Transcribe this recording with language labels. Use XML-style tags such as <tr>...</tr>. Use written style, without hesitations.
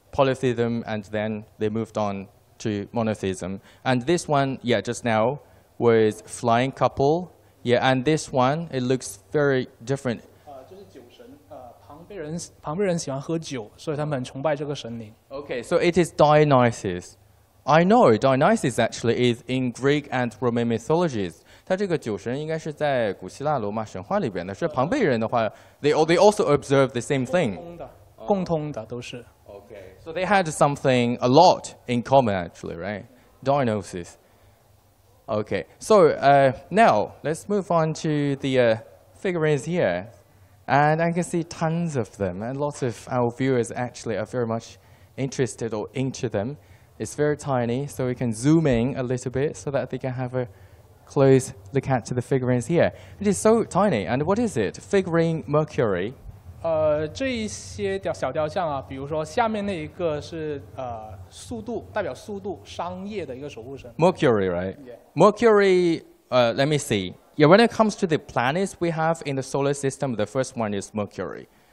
<en>Polytheism, and then they moved on to monotheism. And this one, yeah, just now, was flying couple. Yeah, and this one, it looks very different.</en> <zh>就是酒神，庞贝人喜欢喝酒，所以他们很崇拜这个神灵。</zh> <en>Okay, so it is Dionysus. I know Dionysus actually is in Greek and Roman mythologies.</en> <zh>他这个酒神应该是在古希腊罗马神话里边的。是庞贝人的话,</zh> <en>they also observe the same thing.</en> <zh>共通的都是。</zh> <en>Okay, so they had something a lot in common actually, right? Dionysus. Okay, so now let's move on to the figurines here. And I can see tons of them, and lots of our viewers actually are very much interested or into them. It's very tiny, so we can zoom in a little bit so that they can have a close look at the figurines here. It is so tiny, and what is it? Figurine Mercury.</en> <zh>这一些小雕像啊，比如说下面那一个是速度，代表速度，商业的一个守护神。</zh> <en>Mercury, right? Yeah. Mercury, let me see. Yeah, when it comes to the planets we have in the solar system, the first one is Mercury.</en>